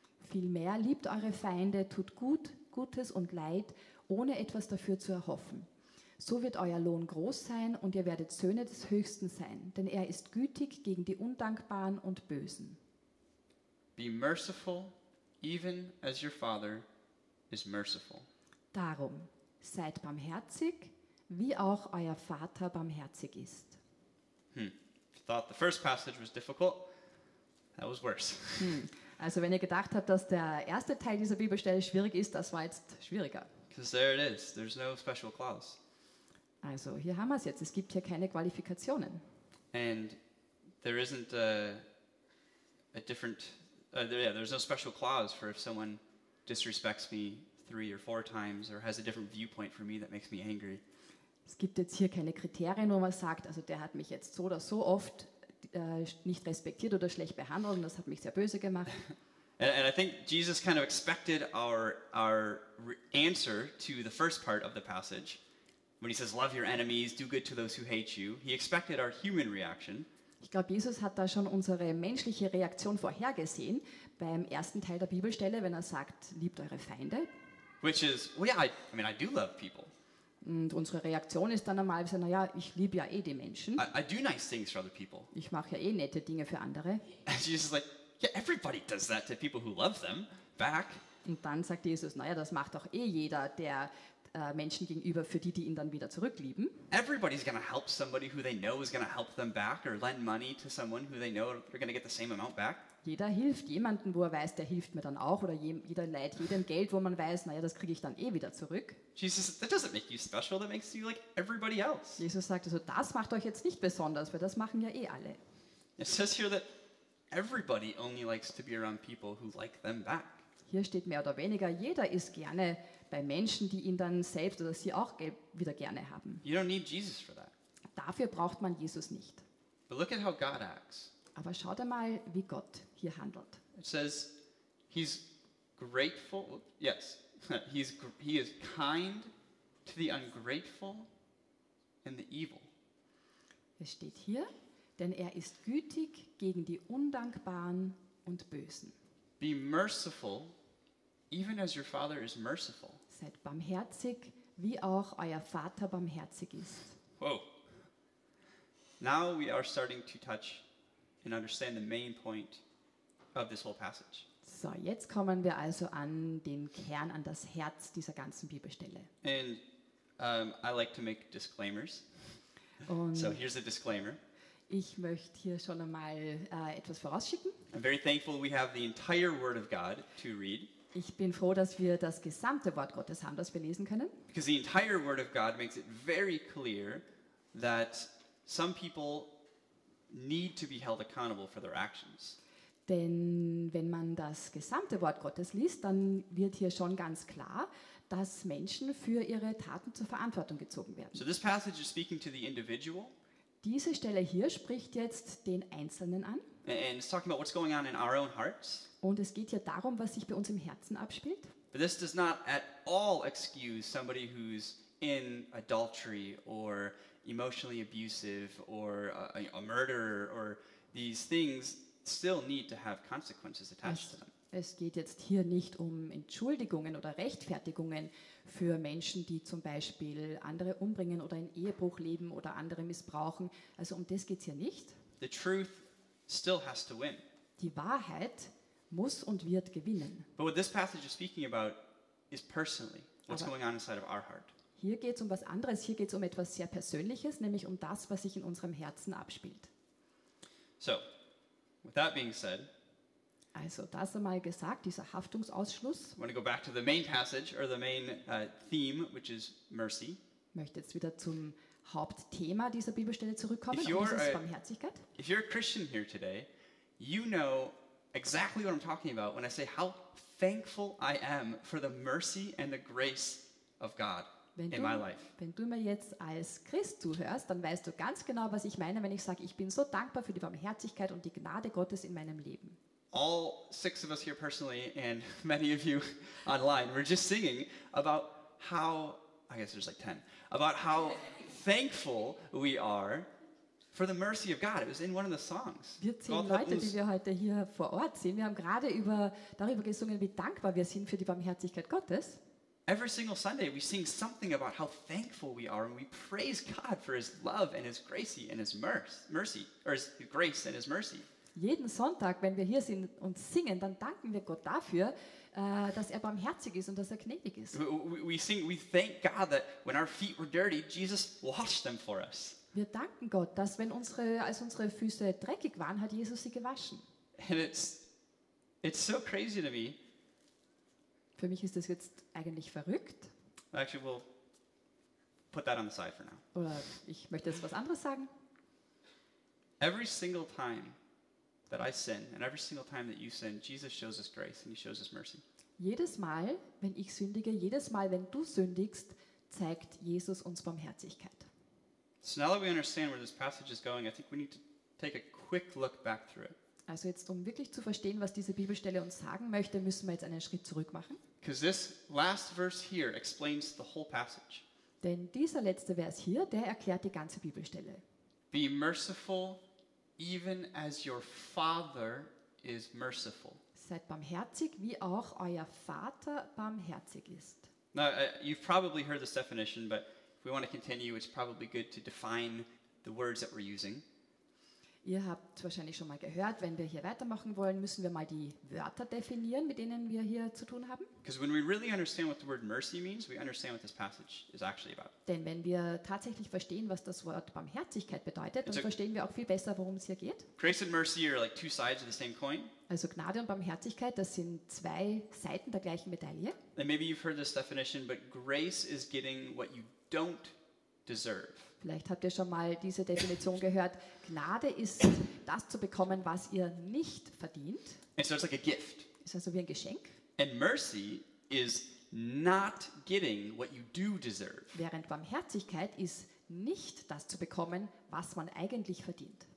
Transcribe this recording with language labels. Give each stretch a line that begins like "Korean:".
German: Vielmehr liebt eure Feinde, tut Gutes und Leid, ohne etwas dafür zu erhoffen. So wird euer Lohn groß sein und ihr werdet Söhne des Höchsten sein, denn er ist gütig gegen die Undankbaren und Bösen.
English: Be merciful, even as your Father is merciful.
German: Darum, seid barmherzig, wie auch euer Vater barmherzig ist.
English: If you thought the first passage was difficult, that was worse.
German: Also wenn ihr gedacht habt, dass der erste Teil dieser Bibelstelle schwierig ist, das war jetzt schwieriger.
English: Because there it is, there's no special clause.
German: Also, hier haben wir es jetzt. Es gibt hier keine Qualifikationen.
English: And there isn't a different, there's no special clause for if someone disrespects me 3 or 4 times or has a different viewpoint for me that makes me angry.
German: Es gibt jetzt hier keine Kriterien, wo man sagt, also der hat mich jetzt so oder so oft nicht respektiert oder schlecht behandelt und das hat mich sehr böse gemacht.
English: And I think Jesus kind of expected our answer to the first part of the passage. When he says, love your enemies, do good to those who hate you, he expected our human reaction.
German: Ich glaube, Jesus hat da schon unsere menschliche Reaktion vorhergesehen beim ersten Teil der Bibelstelle, wenn er sagt, liebt eure Feinde.
English: Which is, well, yeah, I do love people.
German: Und unsere Reaktion ist dann einmal so, naja, ich liebe ja eh die Menschen.
English: I do nice things for other people.
German: Ich mache ja eh nette Dinge für andere.
English: And Jesus is like, yeah, everybody does that to people who love them back.
German: Und dann sagt Jesus, naja, das macht doch eh jeder, der Menschen gegenüber, für die, die ihn dann wieder zurücklieben.
English: Everybody's gonna help somebody who they know is gonna help them back or lend money to someone who they know they're gonna get the same amount back.
German: Jeder hilft jemanden, wo er weiß, der hilft mir dann auch, oder jeder leiht jedem Geld, wo man weiß, naja, das kriege ich dann eh wieder zurück.
English: Jesus, that doesn't make you special, that makes you like everybody else.
German: Jesus sagt also, das macht euch jetzt nicht besonders, weil das machen ja eh alle.
English: It says here that everybody only likes to be around people who like them back.
German: Hier steht mehr oder weniger, jeder ist gerne bei Menschen, die ihn dann selbst oder sie auch wieder gerne haben.
English: You don't need Jesus for that.
German: Dafür braucht man Jesus nicht.
English: But look at how God acts.
German: Aber schaut einmal, wie Gott hier handelt.
English: It says, he's grateful, yes, he is kind to the ungrateful and the evil.
German: Es steht hier, denn er ist gütig gegen die Undankbaren und Bösen.
English: Be merciful, even as your father is merciful.
German: Seid barmherzig, wie auch euer Vater barmherzig ist.
English: Whoa. Now we are starting to touch and understand the main point of this whole passage.
German: So, jetzt kommen wir also an den Kern, an das Herz dieser ganzen Bibelstelle.
English: And I like to make disclaimers.
German: Und
English: so here's a disclaimer.
German: Ich möchte hier schon einmal etwas vorausschicken.
English: I'm very thankful we have the entire Word of God to read.
German: Ich bin froh, dass wir das gesamte Wort Gottes haben, das wir lesen können.
English: Because the entire Word of God makes it very clear that some people need to be held accountable for their actions.
German: Denn wenn man das gesamte Wort Gottes liest, dann wird hier schon ganz klar, dass Menschen für ihre Taten zur Verantwortung gezogen werden.
English: So this passage is speaking to the individual.
German: Diese Stelle hier spricht jetzt den Einzelnen an.
English: And it's talking about what's going on in our own hearts.
German: Und es geht hier darum, was sich bei uns im Herzen abspielt.
English: But this does not at all excuse somebody who's in adultery or emotionally abusive or a murderer or these things still need to have consequences attached to them.
German: Es geht jetzt hier nicht um Entschuldigungen oder Rechtfertigungen für Menschen, die zum Beispiel andere umbringen oder in Ehebruch leben oder andere missbrauchen. Also um das geht es hier nicht.
English: The truth still has to win.
German: Die Wahrheit muss und wird gewinnen.
English: But what this passage is speaking about is personally what's
German: Aber
English: going on inside of our heart.
German: Hier geht es um was anderes, hier geht es um etwas sehr Persönliches, nämlich um das, was sich in unserem Herzen abspielt.
English: So, with that being said,
German: also das einmal gesagt, dieser Haftungsausschluss.
English: I want to go back to the main passage or the main theme, which is mercy.
German: Möchte jetzt wieder zum Hauptthema dieser Bibelstelle zurückkommen, um dieses Barmherzigkeit.
English: If you're a Christian here today, you know exactly what I'm talking about when I say how thankful I am for the mercy and the grace of God.
German: Wenn du mir jetzt als Christ zuhörst, dann weißt du ganz genau, was ich meine, wenn ich sage, ich bin so dankbar für die Barmherzigkeit und die Gnade Gottes in meinem Leben.
English: All six of us here personally and many of you online, we're just singing about how, I guess there's like 10, about how thankful we are for the mercy of God. It was in one of the songs.
German: Wir zehn Leute, die wir heute hier vor Ort sehen, wir haben gerade darüber gesungen, wie dankbar wir sind für die Barmherzigkeit Gottes.
English: Every single Sunday we sing something about how thankful we are and we praise God for his love and his grace and his mercy or his grace and his mercy.
German: Jeden Sonntag, wenn wir hier sind und singen, dann danken wir Gott dafür, dass er barmherzig ist und dass er gnädig ist.
English: We sing, we thank God that when our feet were dirty, Jesus washed them for us.
German: Wir danken Gott, dass wenn unsere Füße dreckig waren, hat Jesus sie gewaschen.
English: And it's so crazy to me.
German: Für mich ist das jetzt eigentlich verrückt.
English: Actually, we'll put that on the side for now.
German: Oder ich möchte jetzt was anderes sagen.
English: Every single time that I sin and every single time that you sin, Jesus shows us grace and he shows us mercy.
German: Jedes Mal, wenn ich sündige, jedes Mal, wenn du sündigst, zeigt Jesus uns Barmherzigkeit.
English: So now that we understand where this passage is going, I think we need to take a quick look back through it.
German: Also jetzt, um wirklich zu verstehen, was diese Bibelstelle uns sagen möchte, müssen wir jetzt einen Schritt zurück machen.
English: Because this last verse here explains the whole passage.
German: Denn dieser letzte Vers hier, der erklärt die ganze Bibelstelle.
English: Be merciful, even as your Father is merciful.
German: Seid barmherzig, wie auch euer Vater barmherzig ist.
English: Now, you've probably heard this definition, but we want to continue, it's probably good to define the words that we're using.
German: Ihr habt wahrscheinlich schon mal gehört, wenn wir hier weitermachen wollen, müssen wir mal die Wörter definieren, mit denen wir hier zu tun haben.
English: Because when we really understand what the word mercy means, we understand what this passage is actually about.
German: Denn wenn wir tatsächlich verstehen, was das Wort Barmherzigkeit bedeutet, dann verstehen wir auch viel besser, worum es hier geht.
English: Grace and mercy are like two sides of the same coin.
German: Also Gnade und Barmherzigkeit, das sind zwei Seiten der gleichen Medaille.
English: And maybe you've heard this definition, but grace is getting what you don't deserve.
German: Vielleicht habt ihr schon mal diese Definition gehört. Gnade ist, das zu bekommen, was ihr nicht verdient.
English: And so it's like a gift.
German: Ist also wie ein Geschenk.
English: And mercy is not getting what you do deserve.
German: Während Barmherzigkeit ist, nicht das zu bekommen, was man eigentlich verdient.